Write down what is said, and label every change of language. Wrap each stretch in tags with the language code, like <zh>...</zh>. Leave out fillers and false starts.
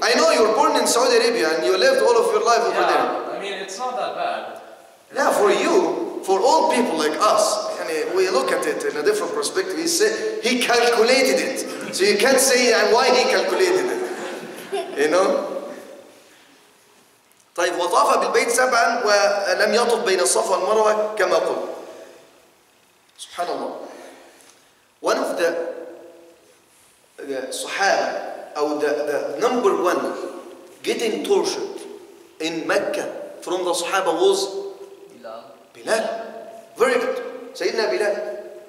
<en>I know you were born in Saudi Arabia and you lived all of your life over there. I mean, it's not that bad. Yeah, for you, for all people like us, I mean, we look at it in a different perspective. He said he calculated it. So you can't say why he calculated it. You know?</en> <ar>طيب وطاف بالبيت سبعا ولم يطف بين الصفا والمروة كما قلت. سبحان الله.</ar> <en>One of the Sahaba, or the number one getting tortured in Mecca from the Sahaba was Bilal. Very good. Sayyidina Bilal.</en>